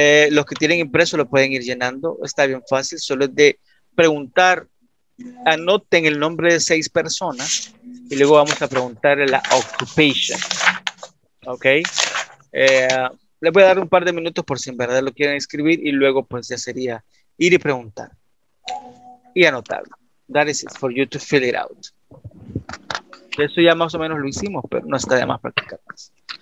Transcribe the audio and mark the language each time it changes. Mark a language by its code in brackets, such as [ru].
[es] Los que tienen impreso lo pueden ir llenando, está bien fácil, solo es de preguntar, anoten el nombre de 6 personas y luego vamos a preguntar la occupation, ¿ok? Les voy a dar un par de minutos por si en verdad lo quieren escribir y luego pues ya sería ir y preguntar y anotarlo. [en] That is it for you to fill it out. [es] Eso ya más o menos lo hicimos, pero no está de más practicar más.